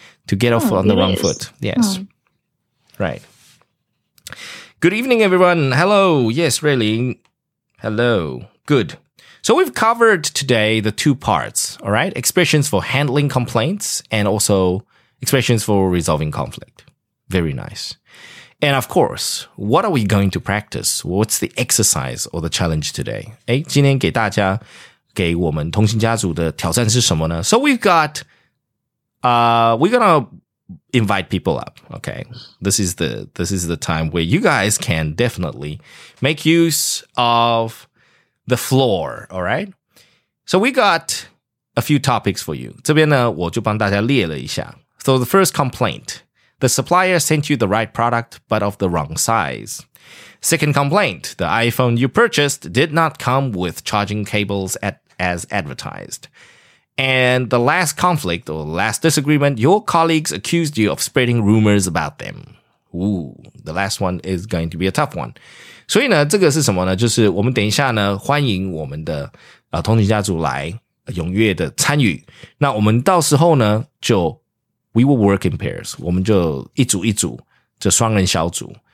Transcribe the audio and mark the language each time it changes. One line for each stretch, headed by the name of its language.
English: To get off on the wrong foot. Yes. Oh. Right. Good evening, everyone. Hello. Yes, really. Hello. Good. So we've covered today the two parts, all right? Expressions for handling complaints and also expressions for resolving conflict. Very nice. And of course, what are we going to practice? What's the exercise or the challenge today?
Chinese: 今天给大家给我们同心家族的挑战是什么呢?
English: So we're gonna invite people up, okay? This is the time where you guys can definitely make use of the floor, all right? So we got a few topics for you.
Chinese: 这边呢,我就帮大家列了一下。
English: So the first complaint, the supplier sent you the right product, but of the wrong size. Second complaint, the iPhone you purchased did not come with charging cables as advertised. And the last conflict or last disagreement, your colleagues accused you of spreading rumors about them. Ooh, the last one is going to be a tough one.
Chinese: 所以呢,这个是什么呢?就是我们等一下呢,欢迎我们的同情家族来踊跃的参与。那我们到时候呢,就
English: we will work in pairs.
Chinese: 我们就一组一组,就双人小组。